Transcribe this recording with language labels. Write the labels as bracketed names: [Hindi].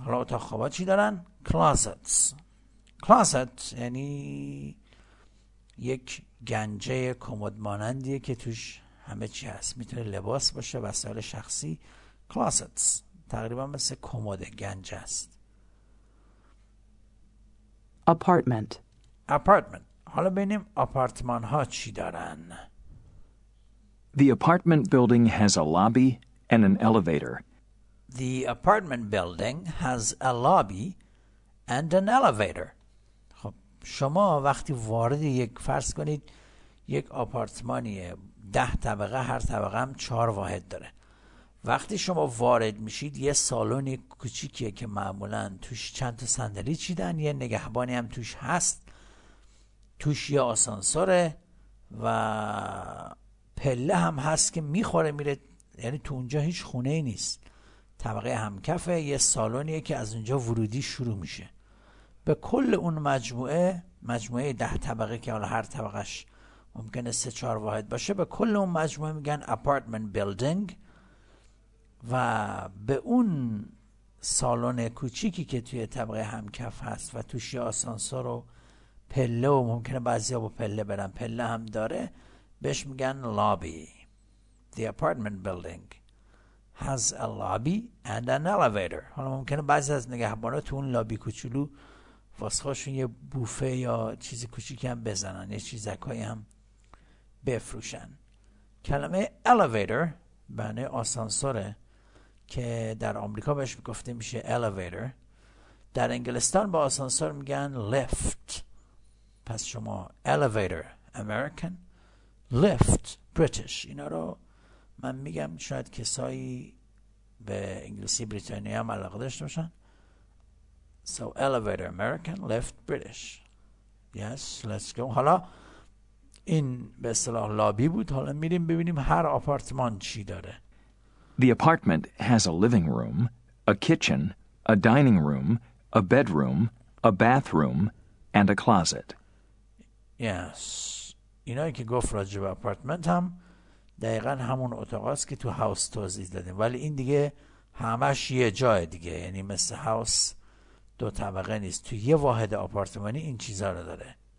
[Persian] حالا اتاق خواب چی دارن؟ Closets. Closet یعنی یک گنجه کمد مانندیه که توش همه چی هست. میتونه لباس باشه، وسایل شخصی. Closets. تقریبا مثل کمد گنجه است. [English] Apartment. Apartment. [Persian] حالا ببینیم آپارتمان ها چی دارن. [English] The apartment building has a lobby and an elevator. The apartment building has a lobby and an elevator. [Persian] خب شما وقتی وارد یک، فرض کنید یک آپارتمانیه 10 طبقه، هر طبقه هم 4 واحد داره. وقتی شما وارد میشید یه سالن کوچیکیه که معمولا توش چند تا صندلی چیدن، یه نگهبانی هم توش هست. توش یه آسانسوره و پله هم هست که میخوره میره، یعنی تو اونجا هیچ خونه ای نیست. طبقه همکفه، یه سالونیه که از اونجا ورودی شروع میشه. به کل اون مجموعه، مجموعه 10 طبقه که حالا هر طبقش ممکنه 3-4 واحد باشه، به کل اون مجموعه میگن apartment building. و به اون سالن کوچیکی که توی طبقه همکف هست و توش یه آسانسور و پله و ممکنه بعضیا با پله برن، پله هم داره، بهش میگن lobby. [English] The apartment building has a lobby and an elevator. [Persian] حالا ممکنه بعضی از نگهبانا تو اون لابی کوچولو واسه خودشون یه بوفه یا چیز کوچیکی هم بزنن، یه چیزکایی هم بفروشن. کلمه elevator معنی آسانسوره که در آمریکا بهش گفته میشه elevator. در انگلستان با آسانسور میگن lift. پس شما [English] elevator American، lift British. [Persian] اینا رو من میگم شاید کسایی به انگلیسی بریتانیا هم علاقه داشته باشن. [English] So elevator American، lift British. Yes, let's go. [Persian] حالا این به اصطلاح لابی بود، حالا میریم ببینیم هر آپارتمان چی داره. [English] The apartment has a living room, a kitchen, a dining room, a bedroom, a bathroom, and a closet. Yes. [Persian] اینایی که گفت راجب آپارتمان هم دقیقا همون اتاق هست که تو هاوس توضیح دادیم، ولی این دیگه همش یه جای دیگه، یعنی مثل هاوس دو طبقه نیست، تو یه واحد آپارتمانی این چیزا رو داره.